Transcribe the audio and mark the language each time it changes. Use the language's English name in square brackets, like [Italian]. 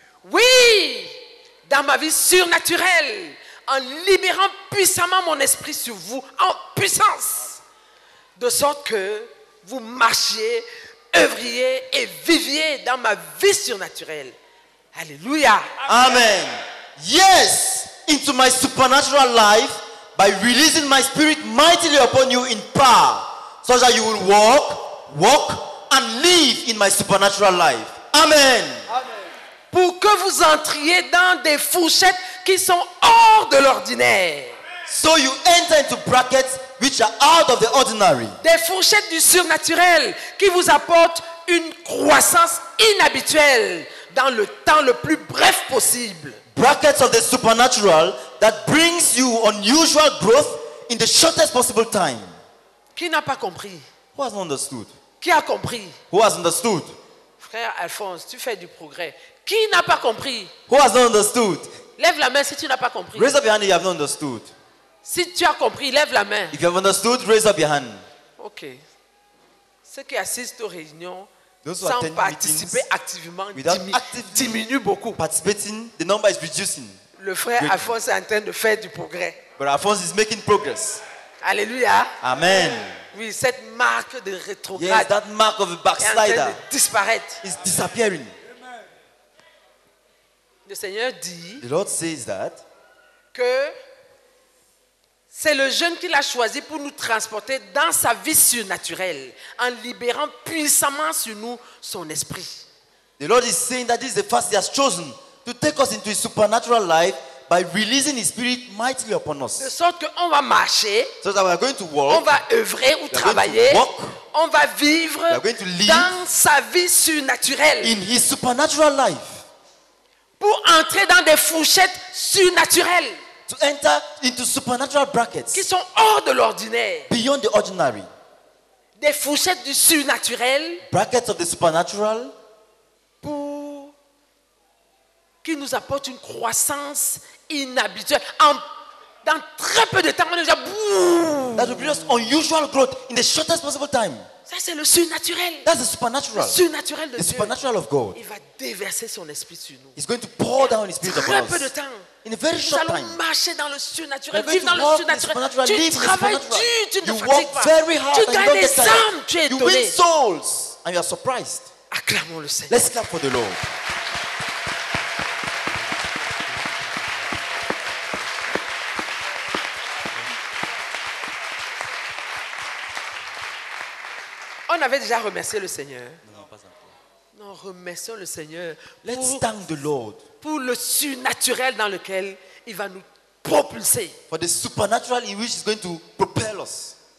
[French] Oui, dans ma vie surnaturelle, en libérant puissamment mon esprit sur vous, en puissance, de sorte que vous marchiez, œuvriez et viviez dans ma vie surnaturelle. Alléluia. Amen. [English] Yes, into my supernatural life, by releasing my spirit mightily upon you in power, so that you will walk, and live in my supernatural life. Amen. [French] Pour que vous entriez dans des fourchettes qui sont hors de l'ordinaire. [English] So you enter into brackets which are out of the ordinary. [French] Des fourchettes du surnaturel qui vous apportent une croissance inhabituelle dans le temps le plus bref possible. [English] Brackets of the supernatural that brings you unusual growth in the shortest possible time. [French] Qui n'a pas compris? [English] Who has understood? [French] Qui a compris? [English] Who has understood? [French] Frère Alphonse, tu fais du progrès. Qui n'a pas compris? [English] Who has not understood? [French] Lève la main si tu n'as pas compris. [English] Raise up your hand if you have not understood. [French] Si tu as compris, lève la main. [English] If you have understood, raise up your hand. [French] Ok. Ceux qui assistent aux réunions sans participer activement diminuent beaucoup. [English] Participating, the number is reducing. [French] Le frère Alphonse est en train de faire du progrès. [English] But Alphonse is making progress. Alléluia. Amen. [French] Oui, cette marque de rétrograde. [English] Yes, that mark of a backslider. [French] Disparaître. [English] Is disappearing. [French] Le Seigneur dit, [English] the Lord says that, [French] que c'est le jeûne qu'il a choisi pour nous transporter dans sa vie surnaturelle, en libérant puissamment sur nous son esprit. [English] The Lord is saying that this is the fast he has chosen to take us into his supernatural life by releasing his spirit mightily upon us. [French] De sorte qu'on va marcher, [English] so that we are going to walk, [French] on va œuvrer ou travailler, [English] going to walk, [French] on va vivre [English] going to live [French] dans sa vie surnaturelle. [English] In his supernatural life. [French] Pour entrer dans des fourchettes surnaturelles. [English] To enter into supernatural brackets. [French] Qui sont hors de l'ordinaire. [English] Beyond the ordinary. [French] Des fourchettes du surnaturel. [English] Brackets of the supernatural. [French] Pour qui nous apporte une croissance inhabituelle. Dans très peu de temps, on est déjà boum. [English] That will bring us unusual growth in the shortest possible time. [French] Ça, c'est le surnaturel. [English] That's the supernatural. [French] Le surnaturel de [English] the supernatural [French] Dieu. [English] Of God. [French] Il va déverser son esprit sur nous. [English] He's going to pour down his spirit upon us. [French] Très peu de temps. [English] In a very [French] nous [English] short time. [French] Nous allons marcher dans le surnaturel. Vivre dans le surnaturel. Tu [English] live [French] travailles [English] the supernatural. [French] Tu ne [English] you [French] fatigues pas. [English] Very hard [French] tu [English] and [French] gagnes des âmes. Tu es [English] you win souls. And you are surprised. [French] Acclamons le Seigneur. [English] Let's clap for the Lord. [French] On avait déjà remercié le Seigneur. Non, pas encore. Non, remercions le Seigneur. [English] Let's thank the Lord. [French] Pour le surnaturel dans lequel il va nous propulser. [English] For the supernatural in which he's going to propel us.